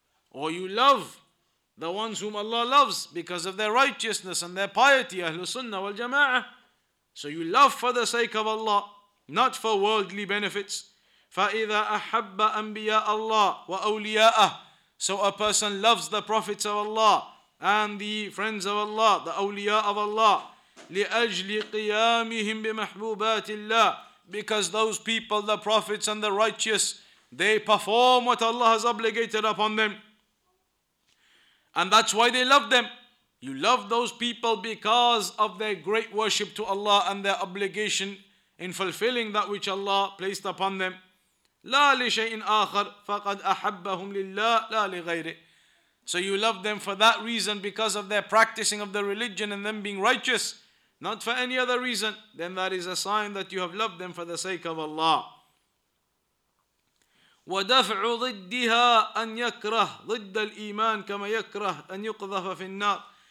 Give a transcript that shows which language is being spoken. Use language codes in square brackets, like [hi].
[en] Or you love the ones whom Allah loves because of their righteousness and their piety, Ahlul Sunnah wal Jama'ah. So you love for the sake of Allah, not for worldly benefits. [ar] فَإِذَا أَحَبَّ أَنْبِيَاءَ اللَّهِ وَأَوْلِيَاءَهُ. [en] So a person loves the prophets of Allah and the friends of Allah, the awliya of Allah. [ar] لأجل قيامهم بمحبوبات الله. [en] Because those people, the prophets and the righteous, they perform what Allah has obligated upon them. And that's why they love them. You love those people because of their great worship to Allah and their obligation in fulfilling that which Allah placed upon them. [ar] لا لشيء آخر فقد أحبهم لله لا لغيره. [en] So you love them for that reason, because of their practicing of the religion and them being righteous. Not for any other reason, then that is a sign that you have loved them for the sake of Allah. [ar] وَدَفْعُ ضِدِّهَا أَنْ يَكْرَهْ ضِدَّ الْإِيمَانِ كَمَا يَكْرَهْ أَنْ يُقْذَفَ فِي النَّارِ.